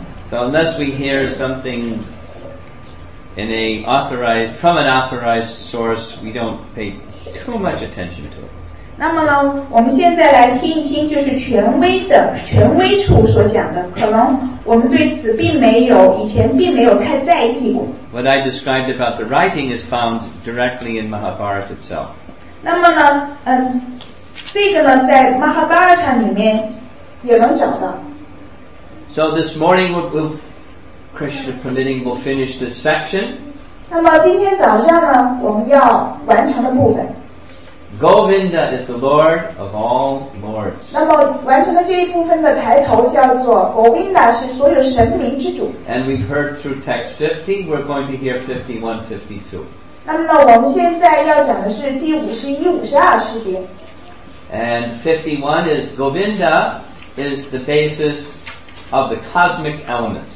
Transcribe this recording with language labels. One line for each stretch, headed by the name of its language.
English: So unless we hear something in a authorized from an authorized source, we don't pay too much attention to it.
Chinese: 那么呢，我们现在来听一听，就是权威处所讲的，可能我们对此并没有以前并没有太在意过。
English: What I described about the writing is found directly in Mahabharata itself.
Chinese: 那么呢，这个呢，在 Mahabharata 里面也能找到。
English: So this morning, we'll, Krishna permitting, we'll finish this section.
Chinese: 那么今天早上呢，我们要完成的部分。
English: Govinda is the Lord of all lords.
Chinese: 那么完成的这一部分的抬头叫做 Govinda 是所有神明之主。
English: And we've heard through text 50, we're going to hear 51, 52.
Chinese: 那么我们现在要讲的是第51、52诗节。
English: And 51 is Govinda is the basis of the cosmic elements.